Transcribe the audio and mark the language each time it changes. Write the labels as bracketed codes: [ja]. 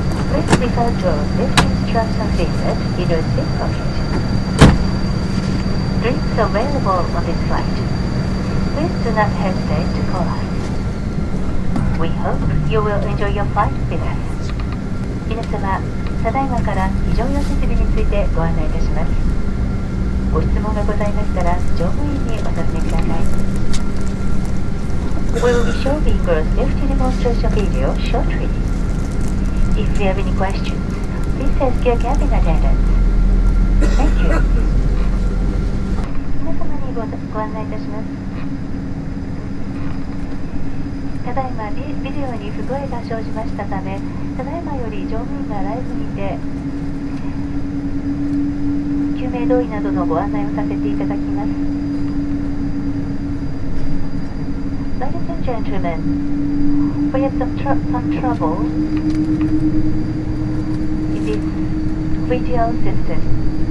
[en] Please refer to this instruction leaflet in your seat pocket. Drinks available on this flight. Please do not hesitate to call us. We hope you will enjoy your flight with us. [ja] 皆様、ただいまから非常用設備についてご案内いたします。ご質問がございましたら乗務員にお尋ねください。 [en] We will be showing your safety demonstration video shortly. If you have any questions, please ask your cabin attendant. Thank you. [ja] 皆様にご案内いたします。ただいま ビデオに不具合が生じましたため、ただいまより乗務員がライブにて救命胴衣などのご案内をさせていただきます。 [en] Ladies and gentlemen, we have some trouble in this video system.